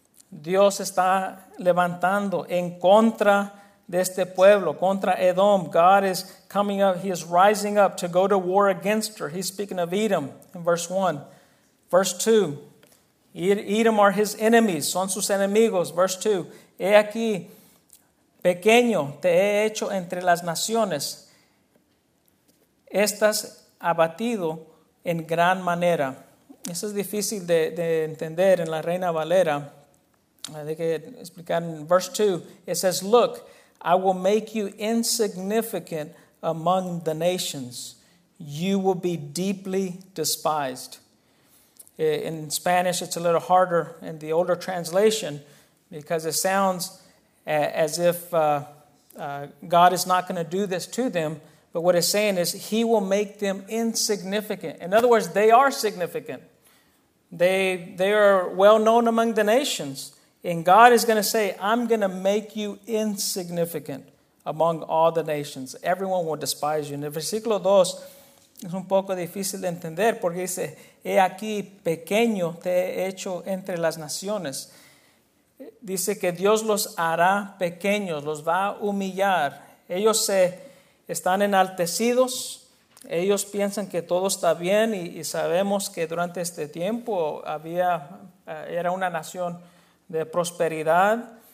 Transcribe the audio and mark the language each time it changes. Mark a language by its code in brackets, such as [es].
[es] Dios está levantando en contra de este pueblo, contra Edom. [en] God is coming up, he is rising up to go to war against her. He's speaking of Edom in verse 1. Verse 2, Edom are his enemies, [es] son sus enemigos. [en] Verse 2, [es] he aquí, pequeño te he hecho entre las naciones. Estás abatido en gran manera. Eso es difícil de entender en la Reina Valera. Hay que explicar en verse 2. [en] It says, look, I will make you insignificant among the nations. You will be deeply despised. In Spanish, it's a little harder in the older translation because it sounds as if God is not going to do this to them. But what it's saying is he will make them insignificant. In other words, they are significant. They are well known among the nations. And God is going to say, I'm going to make you insignificant among all the nations. Everyone will despise you. [es] En el versículo 2 es un poco difícil de entender porque dice, he aquí pequeño te he hecho entre las naciones. Dice que Dios los hará pequeños, los va a humillar. Ellos se están enaltecidos. Ellos piensan que todo está bien y sabemos que durante este tiempo era una nación de prosperidad.